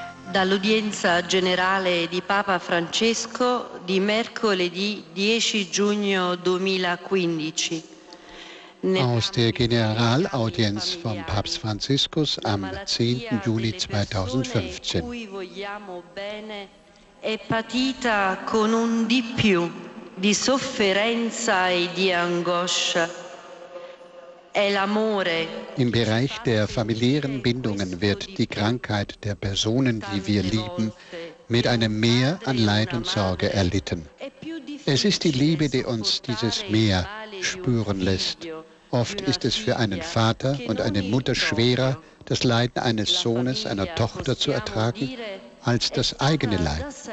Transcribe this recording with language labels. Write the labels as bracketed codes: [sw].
[it] Dall'udienza generale di Papa Francesco di mercoledì 10 giugno 2015. [de] Aus der Generalaudienz von Papst Franziskus am 10. Juli 2015. [it] Cui vogliamo bene è patita con un di più di sofferenza e di angoscia. [de] Im Bereich der familiären Bindungen wird die Krankheit der Personen, die wir lieben, mit einem Meer an Leid und Sorge erlitten. Es ist die Liebe, die uns dieses Meer spüren lässt. Oft ist es für einen Vater und eine Mutter schwerer, das Leiden eines Sohnes, einer Tochter zu ertragen, als das eigene Leid.